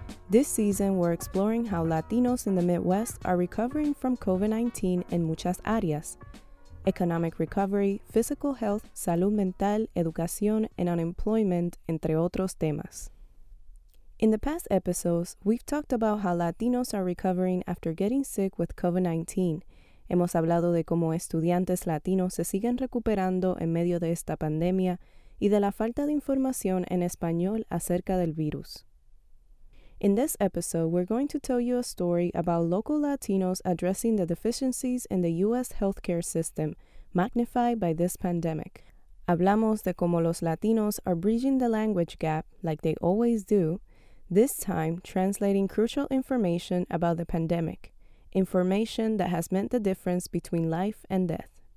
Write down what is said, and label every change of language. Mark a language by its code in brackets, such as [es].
[en] This season, we're exploring how Latinos in the Midwest are recovering from COVID-19 in [es] muchas áreas. [en] Economic recovery, physical health, [es] salud mental, educación, [en] and unemployment, [es] entre otros temas. [en] In the past episodes, we've talked about how Latinos are recovering after getting sick with COVID-19. [es] Hemos hablado de cómo estudiantes latinos se siguen recuperando en medio de esta pandemia, y de la falta de información en español acerca del virus. [en] In this episode, we're going to tell you a story about local Latinos addressing the deficiencies in the U.S. healthcare system, magnified by this pandemic. [es] Hablamos de cómo los [en] Latinos are bridging the language gap, like they always do, this time translating crucial information about the pandemic, information that has meant the difference between life and death.